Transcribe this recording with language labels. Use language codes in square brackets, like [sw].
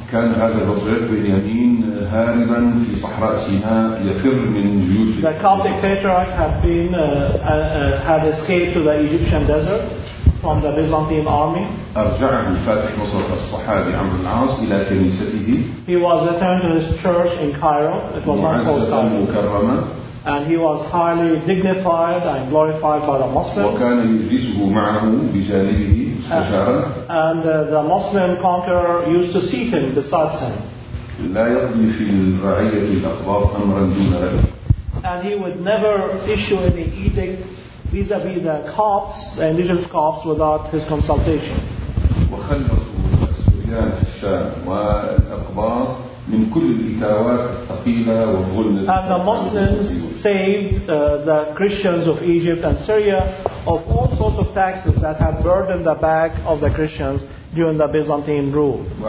[ar] كان هذا البطريرك بنيامين هاربا في صحراء سيناء يفر من جيوش. [en] The Coptic patriarch had been had escaped to the Egyptian desert from the Byzantine army. [ar] أرجعه فاتح مصر الصحابي عمرو بن العاص إلى كنيسته. [en] He was returned to his church in Cairo. It was not called Cairo. [ar] معززا مكرما. [en] And he was highly dignified and glorified by the Muslims. [ar] وكان يجلسه معه بجانبه. [en] And the Muslim conqueror used to seat him beside him. [ar] لا يقضي في الرعية الأقباط أمرا دون رأي. [en] And he would never issue any edict vis-à-vis the Copts, the indigenous Copts, without his consultation. [ar] وخلصوا السوريان في الشام والأقباط من كل الإتاوات الثقيلة والظلم. [en] And the Muslims saved the Christians of Egypt and Syria of all sorts of taxes that had burdened the back of the Christians during the Byzantine rule.